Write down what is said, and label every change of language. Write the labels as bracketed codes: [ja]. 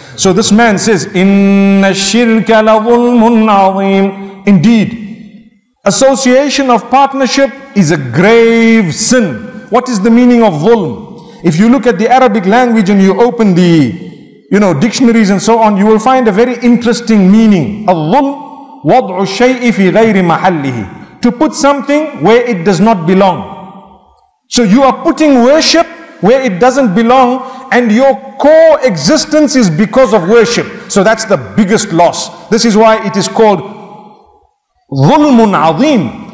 [en] So this man says, [ar] "Inna shirka la dhulmun azim." [en] Indeed, association of partnership is a grave sin. What is the meaning of dhulm? If you look at the Arabic language and you open the, you know, dictionaries and so on, you will find a very interesting meaning. [ar] الظلم وضع الشيء في غير محله. [en] To put something where it does not belong. So you are putting worship where it doesn't belong, and your core existence is because of worship. So that's the biggest loss. This is why it is called [ar] ظلم عظيم.